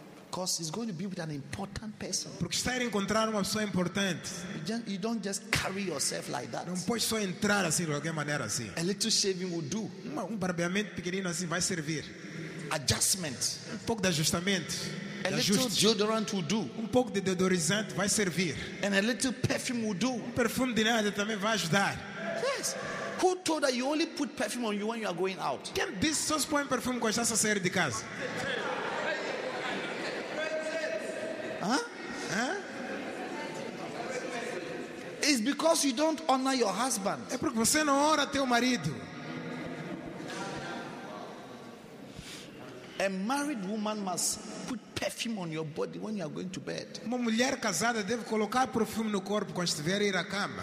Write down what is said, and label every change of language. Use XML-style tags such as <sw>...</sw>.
<en>Because he's going to be with an important person.</en> <pt>Porque está a encontrar uma pessoa importante.</pt> <en>You don't just carry yourself like that.</en> <pt>Não pode só entrar assim de qualquer maneira assim.</pt> <en>A little shaving will do.</en> <pt>Barbeamento pequenino assim vai servir.</pt> <en>Adjustment.</en> <pt>Pouco de ajustamento.</pt> <en>A little deodorant will do.</en> <pt>Pouco de deodorizante vai servir.</pt> <en>And a little perfume will do.</en> <pt>Perfume de nada também vai ajudar.</pt> <en>Yes. Who told that you only put perfume on you when you are going out?</en> <pt>Quem disse só se põe perfume quando está a sair de casa?</pt> <en>It's because you don't honor your husband.</en> <pt>É porque você não honra teu marido.</pt> <en>A married woman must put perfume on your body when you are going to bed.</en> <pt>Uma mulher casada deve colocar perfume no corpo quando estiver a ir à cama.</pt>